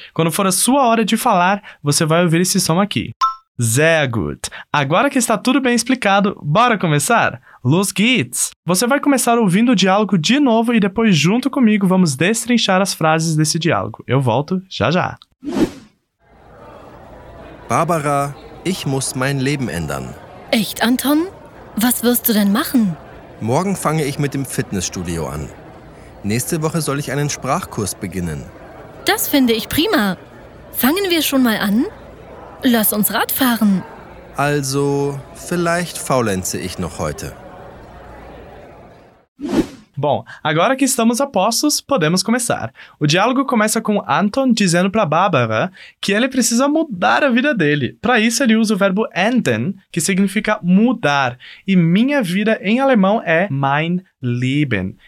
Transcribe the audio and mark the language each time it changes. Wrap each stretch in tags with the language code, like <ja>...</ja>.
<pt>Quando for a sua hora de falar, você vai ouvir esse som aqui.</pt> <de>Sehr gut.</de> <pt>Agora que está tudo bem explicado, bora começar?</pt> <de>Los geht's!</de> <pt>Você vai começar ouvindo o diálogo de novo e depois, junto comigo, vamos destrinchar as frases desse diálogo. Eu volto já já.</pt> <de>Barbara, ich muss mein Leben ändern. Echt, Anton? Was wirst du denn machen? Morgen fange ich mit dem Fitnessstudio an. Nächste Woche soll ich einen Sprachkurs beginnen. Das finde ich prima. Fangen wir schon mal an? Lass uns Radfahren. Also, vielleicht faulenze ich noch heute.</de> <pt>Bom, agora que estamos a postos, podemos começar. O diálogo começa com Anton dizendo para Barbara que ele precisa mudar a vida dele. Para isso, ele usa o verbo ändern, que significa mudar. E minha vida em alemão é mein Leben.</pt>